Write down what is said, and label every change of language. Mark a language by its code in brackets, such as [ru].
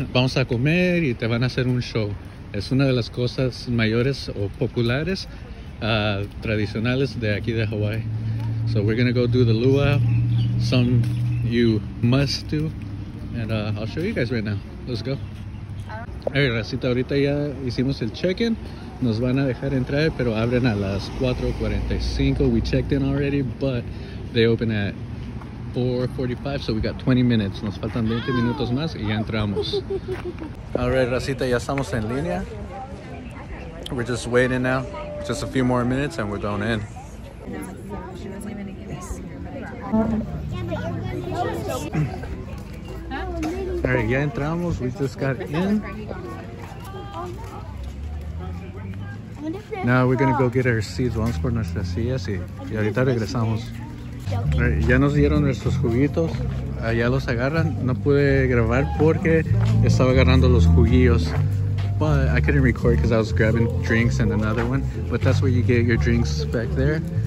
[es] Vamos a comer y te van a hacer un show. Es una de las cosas mayores o populares, tradicionales de aquí de Hawaii. [en] So we're gonna go do the luau. Some you must do. And I'll show you guys right now. Let's go. [es] Hey, racita, ahorita ya hicimos el check-in. Nos van a dejar entrar, pero abren a las 4:45. [en] We checked in already, but they open at 4:45, so we got 20 minutes. [es] Nos faltan 20 minutos más y ya entramos. All right, racita, ya estamos en línea. [en] We're just waiting now. Just a few more minutes and we're going in. All right, [es] ya entramos. [en] We just got in. Now we're gonna go get our seats. [es] Vamos por nuestras sillas y ahorita regresamos. All right, ya nos dieron nuestros juguitos. Allá los agarran. No pude grabar porque estaba agarrando los juguillos. [en] But I couldn't record because I was grabbing drinks and another one. But that's where you get your drinks back there.